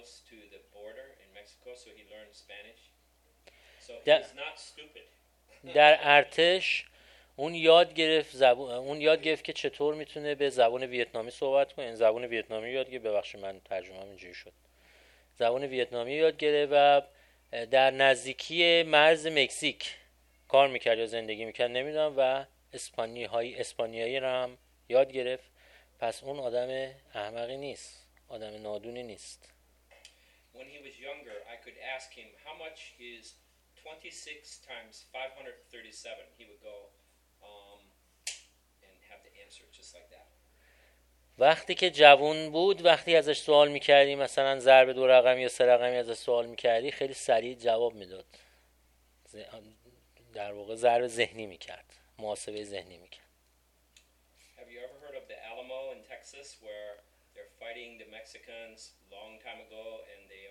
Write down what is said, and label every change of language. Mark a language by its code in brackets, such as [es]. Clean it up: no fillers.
[en] To the border in Mexico, so he learned Spanish. So he's not stupid. [fa] در ارتش اون یاد گرفت زبان اون یاد گرفت که چطور میتونه به زبان ویتنامی صحبت کنه. این زبان ویتنامی یاد گرفت. ببخشید من ترجمه هم اینجوری شد. زبان ویتنامی یاد گرفت و در نزدیکی مرز مکزیک کار میکرد یا زندگی میکرد نمیدونم و اسپانیایی هم یاد گرفت. پس اون آدم احمقی نیست. آدم نادونی نیست. [en] When he was younger, I could ask him how much is 26 times 537. He would go and have the answer just like that. [fa] وقتی که جوان بود، وقتی ازش سوال می‌کردی مثلا ضرب دو رقمی یا سه رقمی ازش سوال می‌کردی، خیلی سریع جواب می‌داد. در واقع ضرب ذهنی می‌کرد، محاسبه ذهنی می‌کرد. [en] Have you ever heard of the Alamo in Texas where they're fighting the Mexicans long time ago and